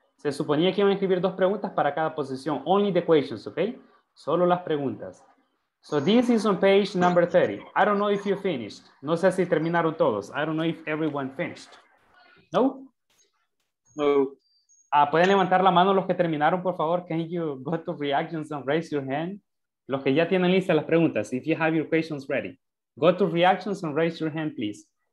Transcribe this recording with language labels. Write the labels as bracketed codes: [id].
[es] Se suponía que iban a escribir dos preguntas para cada posición. [en] Only the questions, okay? [es] Solo las preguntas. [en] So this is on page number 30. I don't know if you finished. [es] No sé si terminaron todos. [en] I don't know if everyone finished. No? No. [es] Pueden levantar la mano los que terminaron, por favor. [en] Can you go to reactions and raise your hand? [es] Los que ya tienen listas las preguntas. [en] If you have your questions ready. Go to reactions and raise your hand, please.